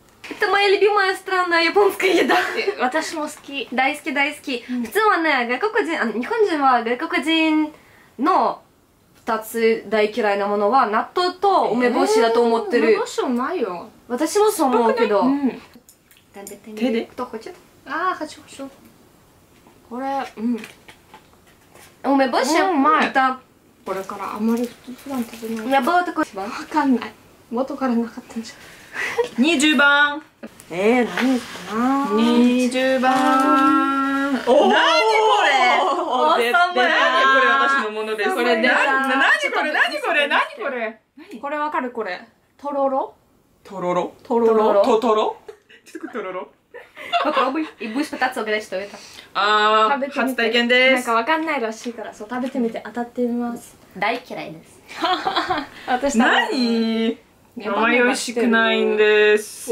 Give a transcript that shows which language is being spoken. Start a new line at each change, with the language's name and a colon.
Russian: Это моя любимая странная японская еда.
Japanese: 私も好き。大好き大好き。普通はね、外国人、日本人は外国人の2つ大嫌いなものは納豆と梅干しだと思ってる。梅干しもないよ。私もそう思うけど。手で。手で。どこちょっと。ああ、はちほし。これ、梅干しはうまい。これからあまり普段食べない。やばいとこ一番。わかんない。元からなかったんじゃ。 20番何かな 20番おー何これおーさんばやー何これ私のものですこれでさー何これ何これ何これこれわかるこれとろろとろろとろろとろろちょっととろろ
Russian: попробуй и будешь пытаться угадать что это
Japanese: あー初体験ですなんかわかんないらしいからそう食べてみて当たってみます大嫌いです私何甘い美味しくないんです。